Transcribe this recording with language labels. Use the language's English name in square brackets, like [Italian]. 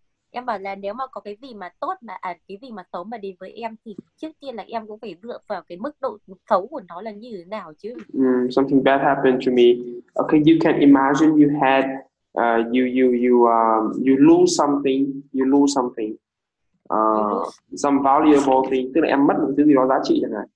[Vietnamese] Em bảo là nếu mà có cái gì mà tốt mà à, cái gì mà xấu mà đến với em thì trước tiên là em cũng phải dựa vào cái mức độ xấu của nó là như thế nào chứ. [English] Something bad happened to me. Okay, you can imagine you had you lose something. Some valuable thing, [Vietnamese] tức là em mất một thứ gì đó giá trị chẳng hạn.